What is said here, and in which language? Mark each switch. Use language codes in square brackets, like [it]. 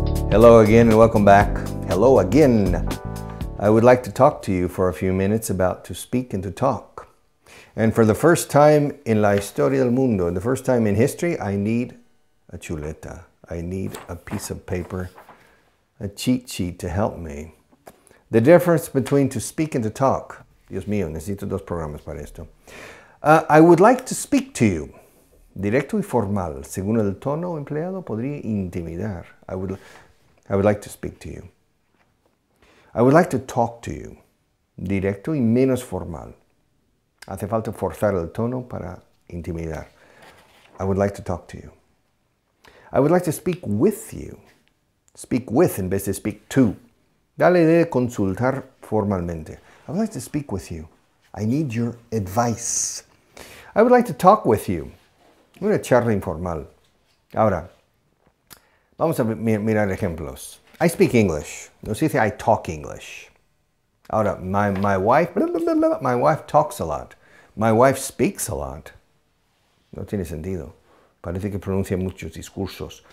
[en] Hello again and welcome back. Hello again. I would like to talk to you for a few minutes about to speak and to talk. And for the first time in [es] la historia del mundo, [en] the first time in history, I need a chuleta. I need a piece of paper, a cheat sheet to help me. The difference between to speak and to talk. [es] Dios mío, necesito dos programas para esto. [en] I would like to speak to you. [es] Directo y formal. Según el tono empleado, podría intimidar. [en] I would like to speak to you. I would like to talk to you. [es] Directo y menos formal. Hace falta forzar el tono para intimidar. [en] I would like to talk to you. I would like to speak with you. Speak with [es] en vez de [en] speak to. [es] Dale de consultar formalmente. [en] I would like to speak with you. I need your advice. I would like to talk with you. [es] Una charla informal. Ahora, vamos a mirar ejemplos. [en] I speak English. [es] No se dice [en] I talk English. Ahora, my wife talks a lot. My wife speaks a lot. [es] No tiene sentido. Parece que pronuncia muchos discursos.